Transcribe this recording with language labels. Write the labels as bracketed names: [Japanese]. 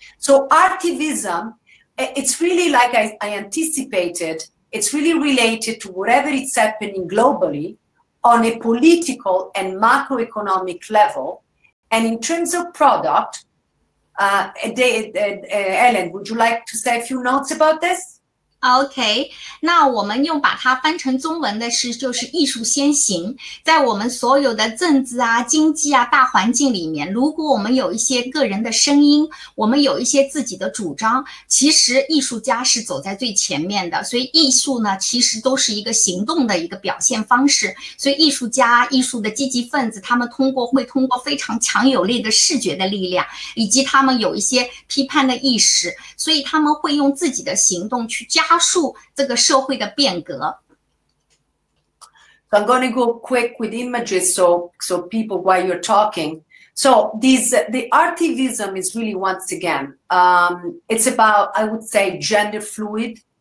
[English] So artivism, it's really like I anticipated, it's really related to whatever is happening globally on a political and macroeconomic level. And in terms of product, Helen, would you like to say a few notes about this? [Chinese] OK, 那我们用把它翻成中文的是就是艺术先行，在我们所有的政治啊、经济啊、大环境里面，如果我们有一些个人的声音，我们有一些自己的主张，其实艺术家是走在最前面的。所以艺术呢，其实都是一个行动的一个表现方式。所以艺术家、艺术的积极分子，他们会通过非常强有力的视觉的力量，以及他们有一些批判的意识，所以他们会用自己的行动去加速这个社会的变革。 [English] So I'm going to go quick with images so people while you're talking. So the artivism is really once again, it's about, I would say, gender fluid.